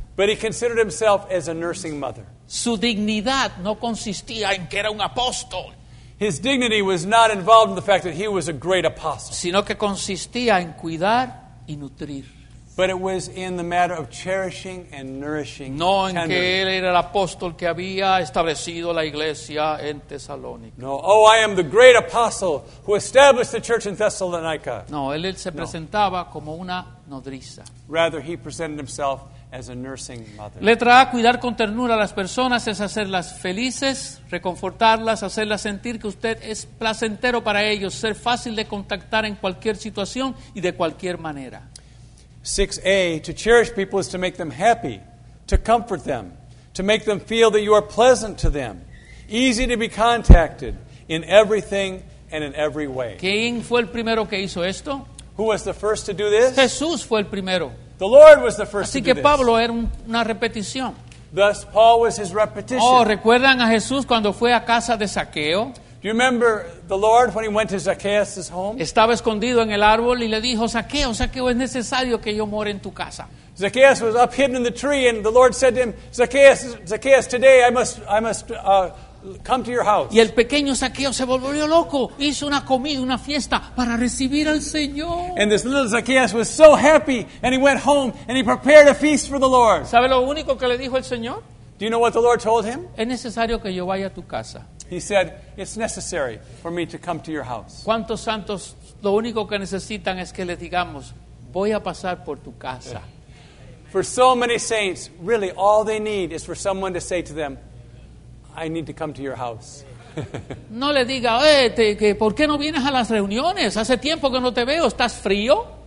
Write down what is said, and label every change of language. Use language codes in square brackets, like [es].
[en] But he considered himself as a nursing mother. [es] Su dignidad no consistía en que era un apóstol. [en] His dignity was not involved in the fact that he was a great apostle. [es] Sino que consistía en cuidar y nutrir. [en] But it was in the matter of cherishing and nourishing. [es] No en que él era el apóstol que había establecido la iglesia en Tesalónica. [en] No, oh, I am the great apostle who established the church in Thessalonica. [es] No, él se presentaba como una nodriza. [en] Rather, he presented himself as a nursing mother. [es] Letra A, cuidar con ternura a las personas es hacerlas felices, reconfortarlas, hacerlas sentir que usted es placentero para ellos, ser fácil de contactar en cualquier situación y de cualquier manera. [en] 6A, to cherish people is to make them happy, to comfort them, to make them feel that you are pleasant to them, easy to be contacted in everything and in every way. [es] ¿Quién fue el primero que hizo esto? [en] Who was the first to do this? [es] Jesús fue el primero. [en] The Lord was the first. [es] Así que Pablo era una repetición. [en] Thus, Paul was his repetition. [es] ¿Recuerdan a Jesús cuando fue a casa de Zaqueo? [en] Do You remember the Lord when he went to Zacchaeus' home? [es] Estaba escondido en el árbol y le dijo, Zaqueo, Zaqueo, es necesario que yo more en tu casa. [en] Zacchaeus was up hidden in the tree and the Lord said to him, Zacchaeus, Zacchaeus, today I must come to your house. [es] Y el pequeño Zaqueo se volvió loco, hizo una comida, una fiesta para recibir al Señor. [en] And this little Zacchaeus was so happy and he went home and he prepared a feast for the Lord. [es] ¿Sabe lo único que le dijo el Señor? [en] Do you know what the Lord told him? [es] Es necesario que yo vaya a tu casa. [en] He said, it's necessary for me to come to your house. [es] ¿Cuántos santos lo único que necesitan es que les digamos, voy a pasar por tu casa? [en] For so many saints, really all they need is for someone to say to them, I need to come to your house. [es] No le diga, ¿por qué no vienes a las reuniones? Hace tiempo que no te veo, ¿estás frío?